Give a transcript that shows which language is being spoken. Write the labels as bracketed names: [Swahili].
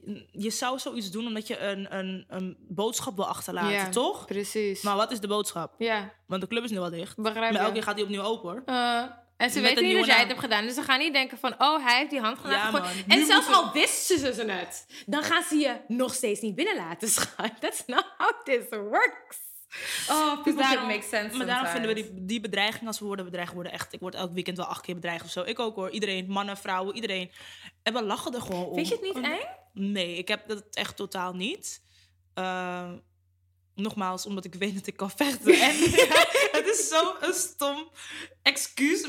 [Dutch] Je zou zoiets doen omdat je een boodschap wil achterlaten, ja, toch? Precies. Maar wat is de boodschap? Ja. Want de club is nu al dicht. Begrijp je. Maar elke keer gaat die opnieuw open, hoor. En ze weten niet dat jij het hebt gedaan. Dus ze gaan niet denken van, oh, hij heeft die hand gedaan. Ja, man. En zelfs al wisten ze het, dan gaan ze je nog steeds niet binnenlaten, schat. [English] That's not how this works. [Dutch] Oh, dus [English] that makes sense. [Dutch] Maar [English] sometimes. [Dutch] Daarom vinden we die bedreiging, als we worden bedreigd, worden echt... Ik word elk weekend wel 8 keer bedreigd of zo. Ik ook, hoor. Iedereen, mannen, vrouwen, iedereen. En we lachen er gewoon om. Vind je het niet eng? Nee, ik heb dat echt totaal niet. Nogmaals, omdat ik weet dat ik kan vechten. En, ja, het is zo'n stom excuus.